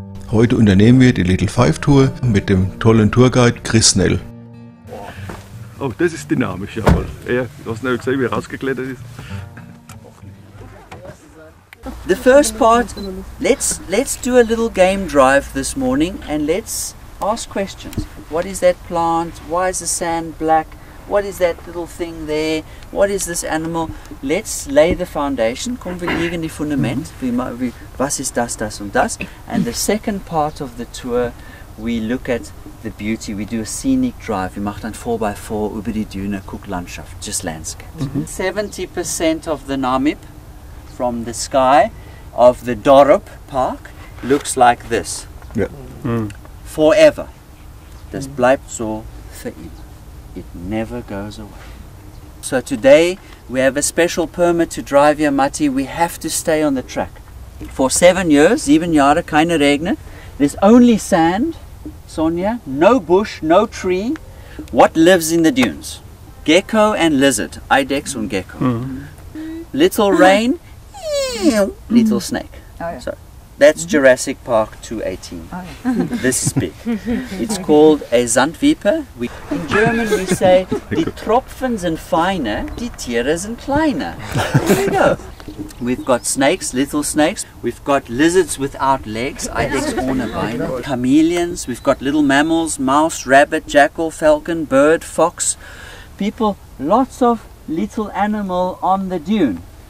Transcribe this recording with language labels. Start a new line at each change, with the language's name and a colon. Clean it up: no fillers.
German: Heute unternehmen wir die Little Five Tour mit dem tollen Tourguide Chris Snell. Oh, das ist dynamisch, jawohl. Ja, du hast nicht gesehen, wie er rausgeklettert ist.
English: The first part, let's do a little game drive this morning and let's ask questions. What is that plant? Why is the sand black? What is that little thing there? What is this animal? Let's lay the foundation.
German: Kommen wir legen die Fundament. Was ist das, das und das?
English: And the second part of the tour, we look at the beauty, we do a scenic drive, we
German: macht ein 4x4 über die Düne, guck Landschaft,
English: just landscape. Mm-hmm. 70% of the Namib from the sky of the Dorup Park looks like this. Yeah. Mm. Forever.
German: Das bleibt so für immer.
English: It never goes away. So today we have a special permit to drive here, Matti. We have to stay on the track. For 7 years,
German: 7 Jahre, keine Regne.
English: There's only sand, Sonia, no bush, no tree. What lives in the dunes? Gecko and lizard,
German: Idex und Gecko.
English: Mm-hmm. Little rain, little snake. Oh, yeah. So that's Jurassic Park 218. Oh, yeah. This is big. It's called a Sandviper. In German we say,
German: die Tropfen sind feiner, die Tiere sind kleiner.
English: There you go. We've got snakes, little snakes. We've got lizards without legs,
German: Idex ohne Beine.
English: Chameleons. We've got little mammals, mouse, rabbit, jackal, falcon, bird, fox. People, lots of little animal on the dune.